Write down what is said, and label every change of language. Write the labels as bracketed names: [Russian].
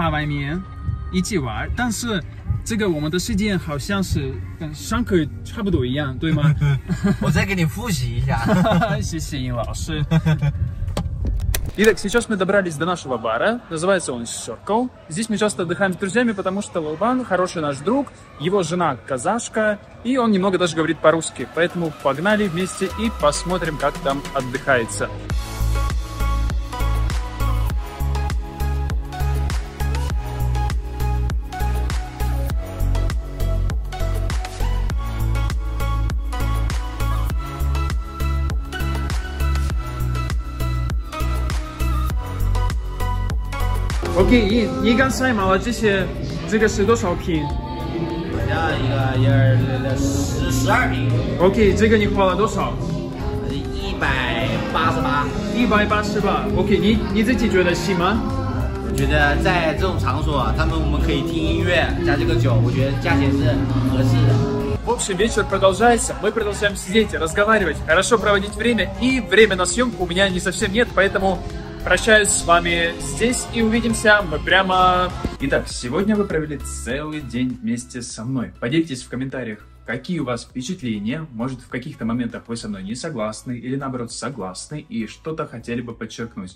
[Chinese] 既然在桂林，我觉得给你的朋友就是带一些桂林的特产，比如说我们桂林有三宝，三宝是什么宝？那个豆腐乳、米粉、桂林三花酒。那你知道我这个三个宝我已经知道了，就是老师上课的时候我已经教了我们。那你看我们现在一起出发外面一起玩，但是。这个我们的时间好像是跟上课差不多一样，对吗？我再给你复习一下，谢谢尹老师。 [Russian] Итак, сейчас мы добрались до нашего бара, называется он Circle. Здесь мы часто отдыхаем с друзьями, потому что Лолбан хороший наш друг, его жена казашка, и он немного даже говорит по-русски, поэтому погнали вместе и посмотрим, как там отдыхается. [Chinese] OK， 你刚才买了这些，这个是多少瓶？好像一个也是十二瓶。 OK， 这个你花了多少？188。188 OK， 你自己觉得行吗？我觉得在这种场所，他们我们可以听音乐，加这个酒，我觉得价钱是合适的。 [Russian] В общем, вечер продолжается, мы продолжаем сидеть, разговаривать, хорошо проводить время, и время на съемку у меня не совсем нет, поэтому. Прощаюсь с вами здесь и увидимся мы прямо... Итак, сегодня вы провели целый день вместе со мной. Поделитесь в комментариях, какие у вас впечатления, может, в каких-то моментах вы со мной не согласны или наоборот согласны и что-то хотели бы подчеркнуть.